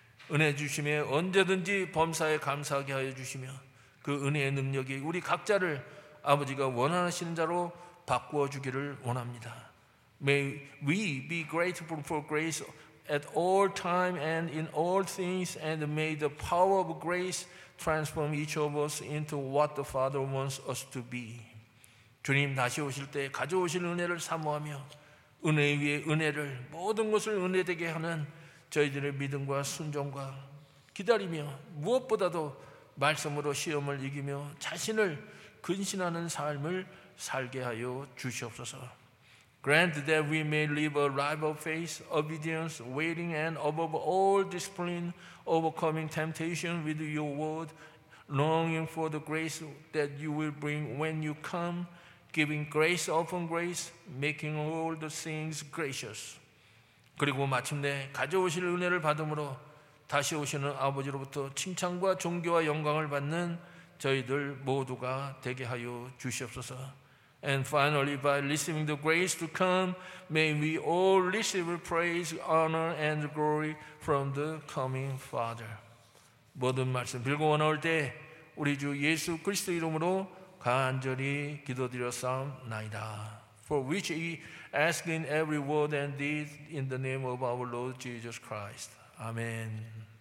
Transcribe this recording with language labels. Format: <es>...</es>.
<ko>은혜 주심에 언제든지 범사에 감사하게 하여 주시며 그 은혜의 능력이 우리 각자를 아버지가 원하시는 자로 바꾸어 주기를 원합니다.</ko> <en>May we be grateful for grace at all time and in all things and may the power of grace transform each of us into what the Father wants us to be.</en> <ko>주님 다시 오실 때 가져오실 은혜를 사모하며 은혜 위에 은혜를 모든 것을 은혜되게 하는 저희들의 믿음과 순종과 기다리며 무엇보다도 말씀으로 시험을 이기며 자신을 근신하는 삶을 살게 하여 주시옵소서.</ko> <en>Grant that we may live a life of faith, obedience, waiting, and above all discipline, overcoming temptation with your word, longing for the grace that you will bring when you come, giving grace upon grace, making all the things gracious.</en> <ko>그리고 마침내 가져오실 은혜를 받음으로 다시 오시는 아버지로부터 칭찬과 존귀와 영광을 받는 저희들 모두가 되게 하여 주시옵소서.</ko> <en>And finally, by receiving the grace to come, may we all receive praise, honor, and glory from the coming Father.</en> <ko>모든 말씀 빌고 원할 때 우리 주 예수 그리스도 이름으로 간절히 기도드렸사옵나이다.</ko> <en>For which he asked in every word and deed in the name of our Lord Jesus Christ. Amen.</en>